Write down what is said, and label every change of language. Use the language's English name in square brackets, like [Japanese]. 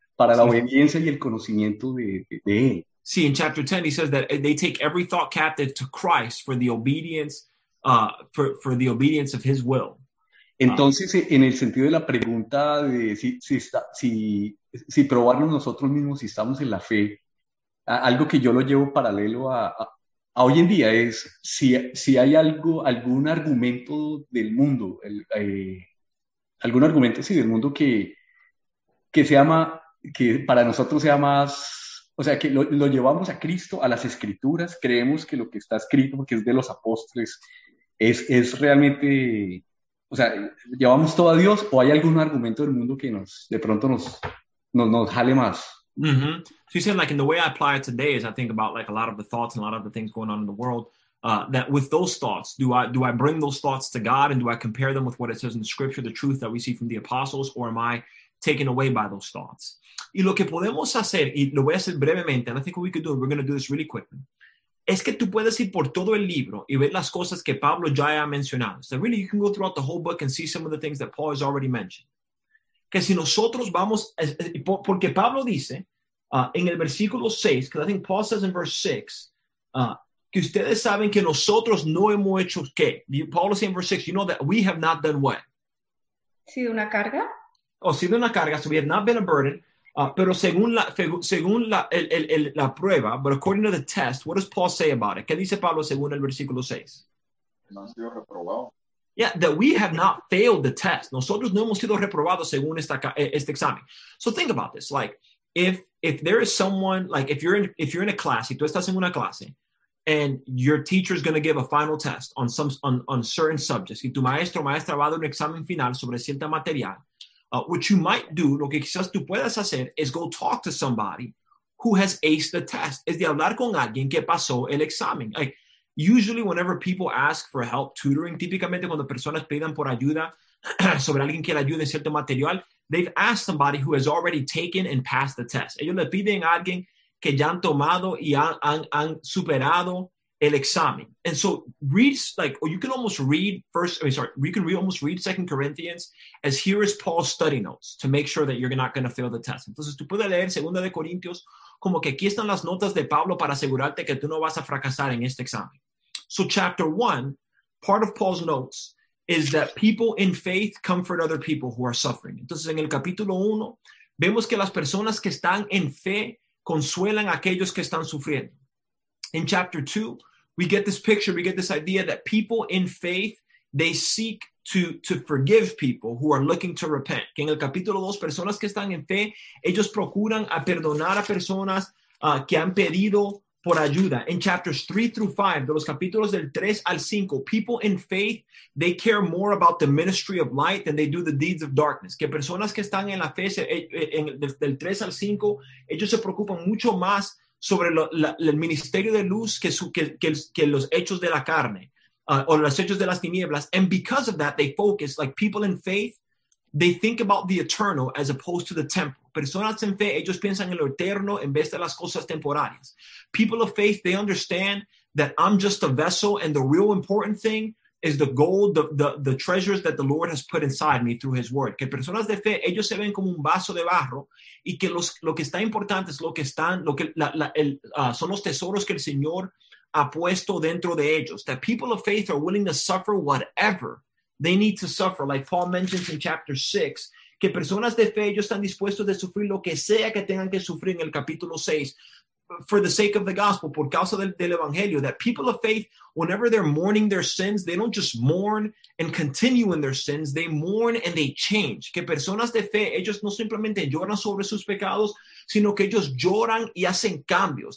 [Spanish] Para la obediencia y el conocimiento de él. [English] Sí, in chapter 10 he says that they take every thought captive to Christ for the obedience of his will. [Spanish] Entonces, en el sentido de la pregunta de si probarnos nosotros mismos si estamos en la fe, algo que yo lo llevo paralelo a hoy en día es si hay algún argumento del mundo, que para nosotros sea más, o sea, que lo llevamos a Cristo, a las Escrituras, creemos que lo que está escrito, porque es de los apóstoles, es realmente... O sea, ¿llevamos todo a Dios o hay algún argumento del mundo que nos jale más? Mm-hmm. [English] So you said, like, in the way I apply it today is I think about, like, a lot of the thoughts and a lot of the things going on in the world, that with those thoughts, do I bring those thoughts to God and do I compare them with what it says in the Scripture, the truth that we see from the apostles, or am I taken away by those thoughts? [Spanish] Y lo que podemos hacer, y lo voy a hacer brevemente, [English] and I think what we could do, we're going to do this really quickly, [Spanish] es que tú puedes ir por todo el libro y ver las cosas que Pablo ya ha mencionado. [English] So really, you can go throughout the whole book and see some of the things that Paul has already mentioned. [Spanish] Que si nosotros vamos... Porque Pablo dice, en el versículo 6, [English] because I think Paul says in verse 6, [Spanish] que ustedes saben que nosotros no hemos hecho qué. [English] Paul is in verse 6, you know that we have not done what? [Spanish] ¿Sido una carga? Sido una carga, [English] so we have not been a burden. [Spanish] Pero según la prueba, [English] but according to the test, what does Paul say about it? [Spanish] ¿Qué dice Pablo según el versículo 6? No han sido reprobados. [English] Yeah, that we have not failed the test. [Spanish] Nosotros no hemos sido reprobados según este examen. [English] So think about this. Like, if there is someone, like, if you're in a class, [Spanish] y tú estás en una clase, [English] and your teacher is going to give a final test on some on certain subjects, [Spanish] y tu maestro o maestra va a dar un examen final sobre cierta material, [English] what you might do, [Spanish] lo que quizás tú puedas hacer, [English] is go talk to somebody who has aced the test. [Spanish] Es de hablar con alguien que pasó el examen. [English] Like, usually whenever people ask for help, tutoring, [Spanish] típicamente cuando personas pidan por ayuda sobre alguien que le ayude en cierto material, [English] they've asked somebody who has already taken and passed the test. [Spanish] Ellos le piden a alguien que ya han tomado y han superado el examen. [English] And so you can almost read 2 Corinthians as here is Paul's study notes to make sure that you're not going to fail the test. [Spanish] Entonces tú puedes leer 2 Corintios como que aquí están las notas de Pablo para asegurarte que tú no vas a fracasar en este examen. [English] So chapter 1, part of Paul's notes is that people in faith comfort other people who are suffering. [Spanish] Entonces en el capítulo 1 vemos que las personas que están en fe consuelan a aquellos que están sufriendo. [English] In chapter 2, we get this picture, we get this idea that people in faith, they seek to forgive people who are looking to repent. [Spanish] Que en el capítulo 2, personas que están en fe, ellos procuran a perdonar a personas que han pedido por ayuda. [English] In chapters 3 through 5, [Spanish] de los capítulos del 3 al 5, [English] people in faith, they care more about the ministry of light than they do the deeds of darkness. [Spanish] Que personas que están en la fe, del 3 al 5, ellos se preocupan mucho más sobre el ministerio de luz que los hechos de la carne o los hechos de las tinieblas. [English] And because of that, they focus, like people in faith, they think about the eternal as opposed to the temporal. [Spanish] Personas en fe, ellos piensan en lo eterno en vez de las cosas temporales. [English] People of faith, they understand that I'm just a vessel and the real important thing is the gold, the treasures that the Lord has put inside me through his word. [Spanish] Que personas de fe, ellos se ven como un vaso de barro y que lo que está importante es son los tesoros que el Señor ha puesto dentro de ellos. [English] That people of faith are willing to suffer whatever they need to suffer. Like Paul mentions in chapter 6, [Spanish] que personas de fe, ellos están dispuestos de sufrir lo que sea que tengan que sufrir en el capítulo 6. [English] For the sake of the gospel, [Spanish] por causa del evangelio, [English] that people of faith, whenever they're mourning their sins, they don't just mourn and continue in their sins, they mourn and they change. [Spanish] Que personas de fe, ellos no simplemente lloran sobre sus pecados, sino que ellos lloran y hacen cambios.